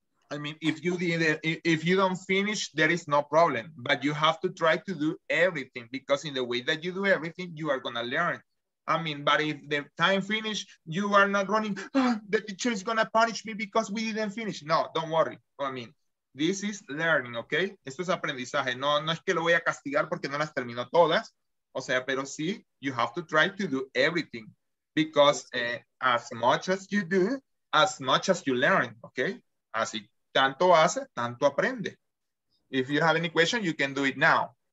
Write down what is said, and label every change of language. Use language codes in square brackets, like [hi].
[en] I mean, if you did it, if you don't finish, there is no problem. But you have to try to do everything, because in the way that you do everything, you are gonna learn. I mean, but if the time finish, you are not running, the teacher is gonna punish me because we didn't finish. No, don't worry. I mean, this is learning, okay? [es] Esto es aprendizaje. No, no es que lo voy a castigar porque no las termino todas. O sea, pero sí, [en] you have to try to do everything, because as much as you do, as much as you learn, okay? [es] Así, tanto hace, tanto aprende. [en] If you have any question, you can do it now.